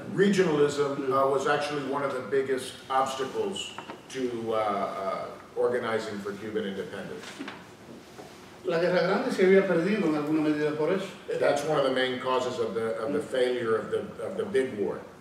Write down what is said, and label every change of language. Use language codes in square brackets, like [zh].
[en] Regionalism was actually one of the biggest obstacles to organizing for Cuban independence. [es] La Guerra Grande se había perdido en alguna medida por eso. [en] That's one of the main causes of the failure of the big war.